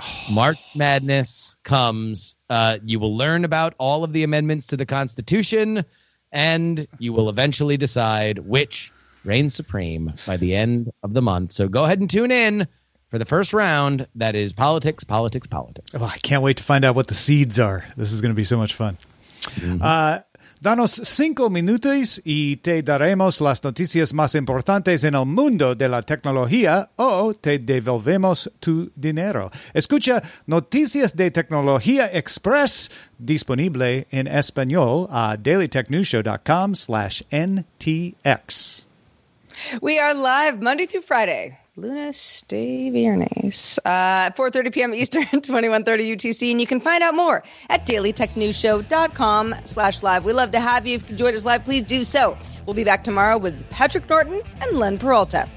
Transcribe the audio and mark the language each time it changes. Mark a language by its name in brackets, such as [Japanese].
[English] March Madness comes. You will learn about all of the amendments to the Constitution, and you will eventually decide which reigns supreme by the end of the month. So go ahead and tune in for the first round. That is politics. Oh, I can't wait to find out what the seeds are. This is going to be so much fun. Mm-hmm. [Spanish] Danos cinco minutos y te daremos las noticias más importantes en el mundo de la tecnología o te devolvemos tu dinero. Escucha Noticias de Tecnología Express, disponible en español a dailytechnewsshow.com/NTX. [English] We are live Monday through Friday. Luna Stavirnes, 4:30 p.m. Eastern, 21:30 UTC, and you can find out more at dailytechnewsshow.com/live. We'd love to have you. If you enjoyed us live, please do so. We'll be back tomorrow with Patrick Norton and Len Peralta.